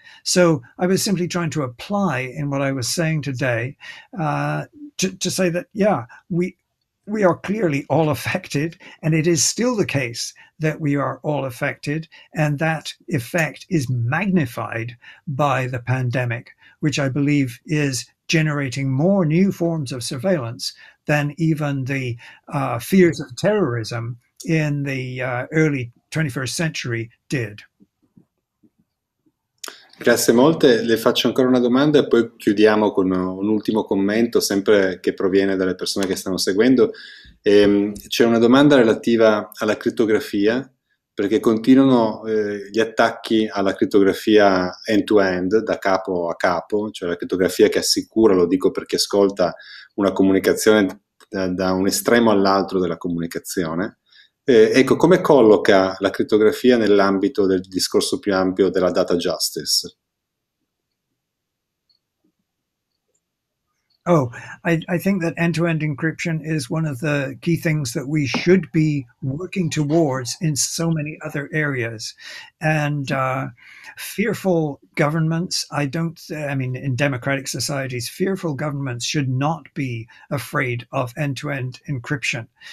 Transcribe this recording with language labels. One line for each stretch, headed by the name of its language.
English: So I was simply trying to apply in what I was saying today to say that, yeah, we are clearly all affected, and it is still the case that we are all affected, and that effect is magnified by the pandemic, which I believe is generating more new forms of surveillance than even the fears of terrorism in the early 21st century did.
Italian: Grazie molte. Le faccio ancora una domanda e poi chiudiamo con un ultimo commento, sempre che proviene dalle persone che stanno seguendo. C'è una domanda relativa alla crittografia, perché continuano gli attacchi alla crittografia end-to-end, da capo a capo, cioè la crittografia che assicura, lo dico per chi ascolta, una comunicazione da un estremo all'altro della comunicazione. Ecco, come colloca la crittografia nell'ambito del discorso più ampio della data justice?
English: Oh, I think that end-to-end encryption is one of the key things that we should be working towards in so many other areas. And fearful governments, in democratic societies, fearful governments should not be afraid of end-to-end encryption.